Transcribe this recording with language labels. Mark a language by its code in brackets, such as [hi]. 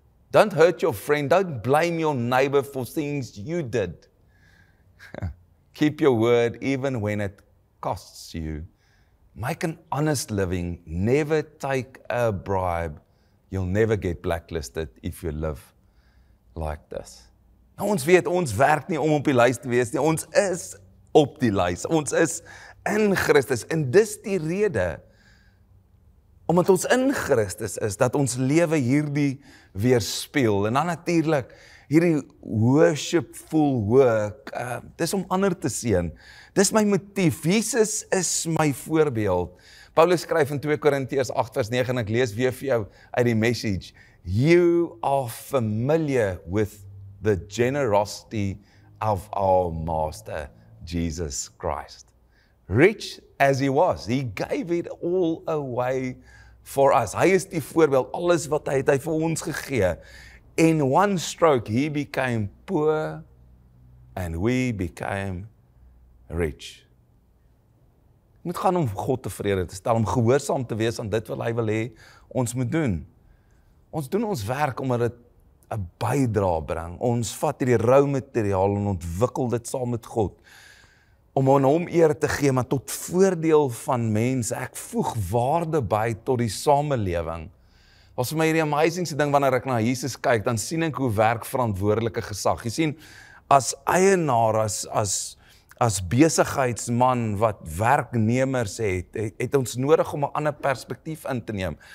[en] Don't hurt your friend, don't blame your neighbor for things you did. Keep your word even when it costs you. Make an honest living, never take a bribe. You'll never get blacklisted if you live like this. [af] Nou ons weet, ons werk nie om op die lys te wees nie, ons is op die lys. Ons is in Christus en dis die rede omdat ons in Christus is, dat ons lewe hierdie weerspieël. En dan natuurlik, hierdie worshipful work, dis om ander te seën. Dis my motief. Jesus is my voorbeeld. Paulus skryf in 2 Korintiërs 8 vers 9 en ek lees weer vir jou uit die message. [en] You are familiar with the generosity of our master Jesus Christ. Rich as he was, he gave it all away for us. [af] Hy is die voorbeeld, alles wat hy het hy vir ons gegee. [en] In one stroke he became poor and we became rich. [af] Ons moet gaan om God tevrede te stel, om gehoorsaam te wees aan dit wat hy wil hê ons moet doen. Ons doen ons werk omdat dit 'n bydrae bring. Ons vat hierdie rou materiaal en ontwikkel dit saam met God om aan hom eer te gee, maar tot voordeel van mense. Ek voeg waarde by tot die samelewing. Was vir my hierdie amazingste ding wanneer ek na Jesus kyk, dan sien ek hoe werk verantwoordelike gesag. Jy sien, as eienaar, as besigheidsman wat werknemers het, het ons nodig om 'n ander perspektief in te neem.